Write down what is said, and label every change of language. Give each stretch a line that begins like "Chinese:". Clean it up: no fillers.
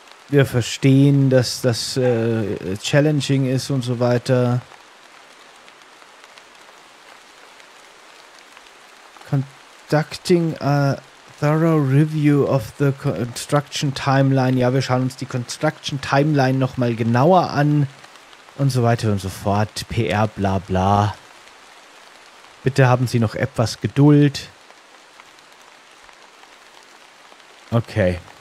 German: Wir verstehen, dass das challenging ist und so weiter.
English: Conducting a thorough review of the construction timeline.
German: Ja, wir schauen uns die construction timeline nochmal genauer an. Und so weiter und so fort. PR, bla bla. Bitte haben Sie noch etwas Geduld. Okay.